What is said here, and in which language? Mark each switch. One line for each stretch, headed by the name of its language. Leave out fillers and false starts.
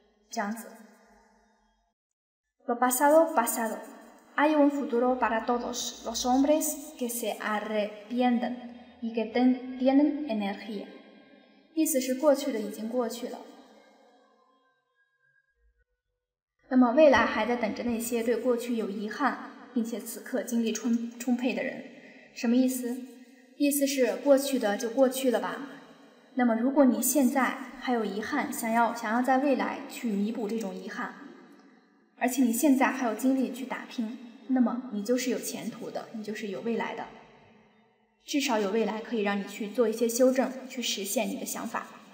Chinese: 这样子。
Spanish: Lo pasado, pasado. Hay un futuro para todos los hombres que se arrepienten y que tienen energía.
Chinese: 意思是过去的已经过去了。那么未来还在等着那些对过去有遗憾并且此刻精力充沛的人。什么意思？意思是过去的就过去了吧。那么如果你现在还有遗憾，想要在未来去弥补这种遗憾，而且你现在还有精力去打拼，那么你就是有前途的，你就是有未来的，至少有未来可以让你去做一些修正，去实现你的想法。